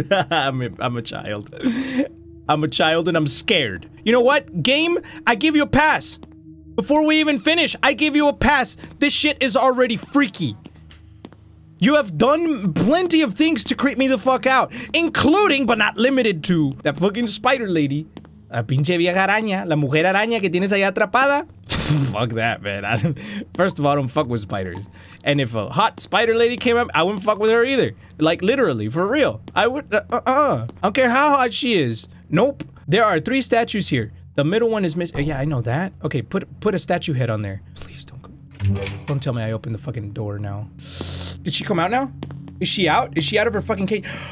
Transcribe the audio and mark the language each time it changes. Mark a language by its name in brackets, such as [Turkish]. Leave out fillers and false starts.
[English] I'm a child. I'm a child and I'm scared. You know what? Game, I give you a pass. Before we even finish, I give you a pass. This shit is already freaky. You have done plenty of things to creep me the fuck out, including but not limited to that fucking spider lady. [Spanish] La pinche vieja araña, la mujer araña que tienes ahí atrapada. [English] Fuck that, man. First of all, I don't fuck with spiders. And if a hot spider lady came up, I wouldn't fuck with her either. Like, literally, for real. I would, I don't care how hot she is. Nope. There are three statues here. The middle one is missing. Yeah, I know that. Okay, put a statue head on there. Please don't go. Don't tell me I opened the fucking door now. Did she come out now? Is she out? Is she out of her fucking cage?